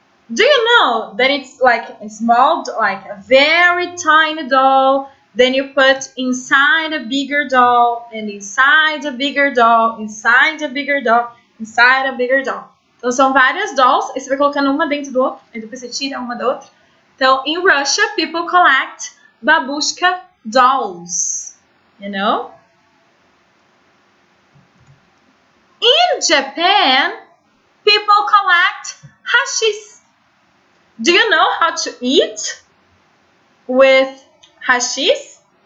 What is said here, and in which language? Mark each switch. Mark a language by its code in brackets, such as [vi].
[en] Do you know that it's like a small, like a very tiny doll, then you put inside a bigger doll, and inside a bigger doll, inside a bigger doll, inside a bigger doll. [pt] Então, são várias dolls, e você vai colocando uma dentro do outro, e depois você tira uma da outra. [en] Então, in Russia, people collect babushka dolls, you know? In Japan, people collect hashis. Do you know how to eat with hashis?